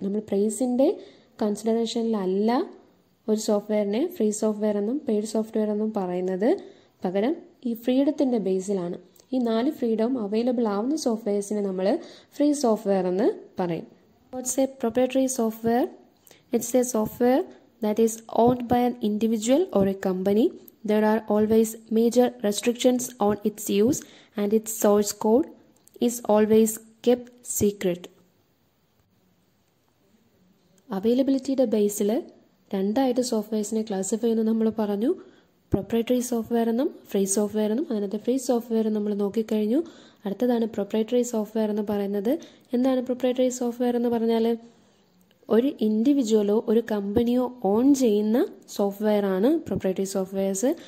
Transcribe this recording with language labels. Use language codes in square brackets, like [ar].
[ml] നമ്മൾ പ്രൈസിൻ്റെ കൺസിഡറേഷനിലല്ല ഒരു സോഫ്റ്റ്വെയറിനെ free software എന്നും പെയ്ഡ് സോഫ്റ്റ്വെയർ എന്നും പറയുന്നത്, പകരം ഈ ഫ്രീഡത്തിൻ്റെ ബേസിലാണ്. ഈ നാല് ഫ്രീഡവും അവൈലബിൾ ആവുന്ന സോഫ്റ്റ്വെയർസിനെ നമ്മൾ ഫ്രീ സോഫ്റ്റ്വെയർ എന്ന് പറയും. [en] What's a proprietary software? It's a software that is owned by an individual or a company. There are always major restrictions on its use and its source code is always kept secret. [ml] അവൈലബിലിറ്റിയുടെ ബേസിൽ രണ്ടായിട്ട് സോഫ്റ്റ്വെയർസിനെ classify ചെയ്യുന്നു നമ്മൾ പറഞ്ഞു, proprietary software എന്നും free software എന്നും. അതിനകത്ത് free software നമ്മൾ നോക്കിക്കഴിഞ്ഞു. അടുത്തതാണ് proprietary software എന്ന് പറയുന്നത്. എന്താണ് പ്രൊപ്രൈറ്ററി സോഫ്റ്റ്വെയർ എന്ന് പറഞ്ഞാൽ? ഒരു ഇൻഡിവിജ്വലോ ഒരു കമ്പനിയോ ഓൺ ചെയ്യുന്ന സോഫ്റ്റ്വെയറാണ് പ്രൊപ്രൈറ്ററി സോഫ്റ്റ്വെയർസ്.